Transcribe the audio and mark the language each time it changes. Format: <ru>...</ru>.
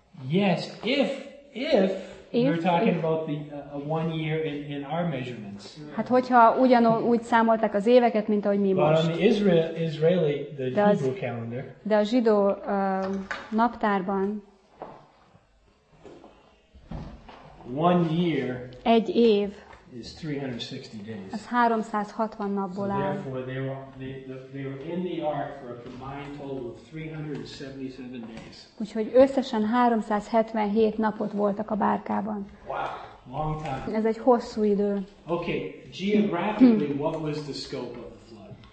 <en>Yes, if we're talking about the one year in our measurements.</en> <hu>Hát hogyha ugyanúgy számolták az éveket, mint ahogy mi</hu> <en>but</en> <hu>most.</hu> <en>But on the Israeli, the Hebrew calendar.</en> <hu>De a zsidó naptárban.</hu> <en>One year.</en> <hu>Egy év.</hu> <en>Is 360 days.</en> <hu>Az 360 napból áll.</hu> <en>So therefore, they were in the ark for a combined total of 377 days.</en> <hu>Úgyhogy összesen 377 napot voltak a bárkában.</hu> <en>Wow, long time.</en> <hu>Ez egy hosszú idő.</hu> <en>Okay, geographically, what was the scope of the flood?</en>